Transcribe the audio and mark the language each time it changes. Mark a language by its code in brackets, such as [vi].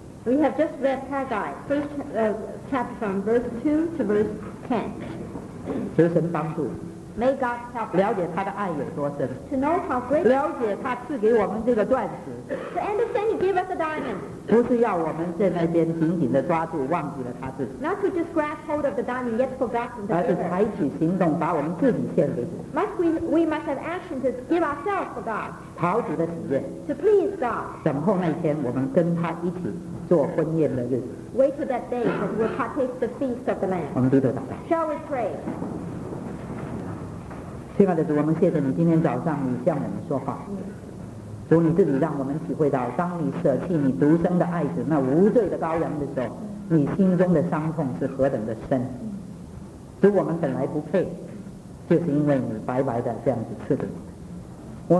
[en] We have just read Haggai, first chapter from verse 2 to verse 10. [zh] 求神帮助。 [en] May God help us. [zh] 了解他的爱有多深。 [en] To know how great. [zh] 了解他赐给我们这个钻石。 [en] To understand he gave us a diamond. [zh] 不是要我们在那边紧紧地抓住，忘记了他自己。 [en] Not to just grasp hold of the diamond, yet forgotten the giver. [zh] 而是采取行动，把我们自己献给主。 [en] We must have action to give ourselves for God. [zh] 讨主的喜悦。 [en] To please God. [zh] 等候那天我们跟他一起做婚宴的日子。 [en] Wait for that day that we'll partake the feast of the Lamb. [zh] 我们低头祷告。 [en] Shall we pray? [zh] 亲爱的主，我们谢谢你今天早上你向我们说话。主，你自己让我们体会到，当你舍弃你独生的爱子那无罪的羔羊的时候，你心中的伤痛是何等的深。主，我们本来不配，就是因为你白白的这样子赐给我们。